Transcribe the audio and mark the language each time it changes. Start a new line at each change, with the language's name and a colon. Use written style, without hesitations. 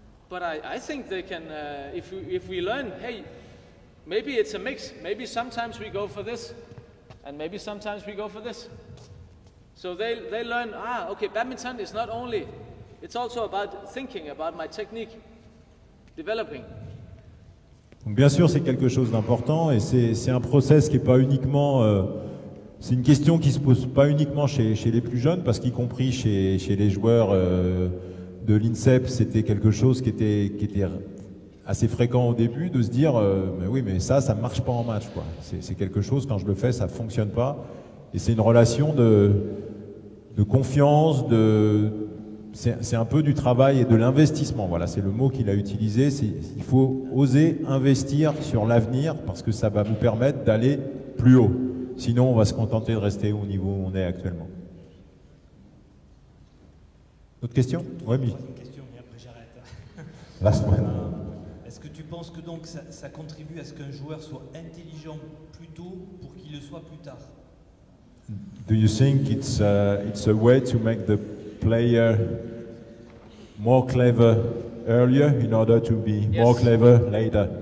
English: But I think they can, if we learn, hey, maybe it's a mix. Maybe sometimes we go for this, and maybe sometimes we go for this. So they learn, okay, badminton is not only, it's also about thinking, about my technique, developing.
French: Donc bien sûr, c'est quelque chose d'important et c'est un process qui est pas uniquement... c'est une question qui se pose pas uniquement chez les plus jeunes, parce qu'y compris chez les joueurs de l'INSEP, c'était quelque chose qui était assez fréquent au début, de se dire « mais oui, mais ça marche pas en match, quoi. C'est quelque chose, quand je le fais, ça fonctionne pas. » Et c'est une relation de confiance, c'est un peu du travail et de l'investissement. Voilà, c'est le mot qu'il a utilisé. Il faut oser investir sur l'avenir, parce que ça va vous permettre d'aller plus haut. Sinon, on va se contenter de rester au niveau où on est actuellement. D'autres questions ? Oui, mais... Une question, et après j'arrête.
English: Last one.
French: Est-ce que tu penses que donc ça contribue à ce qu'un joueur soit intelligent plus tôt pour qu'il le soit plus tard ?
English: Do you think it's a way to make the player more clever earlier in order to be more clever later?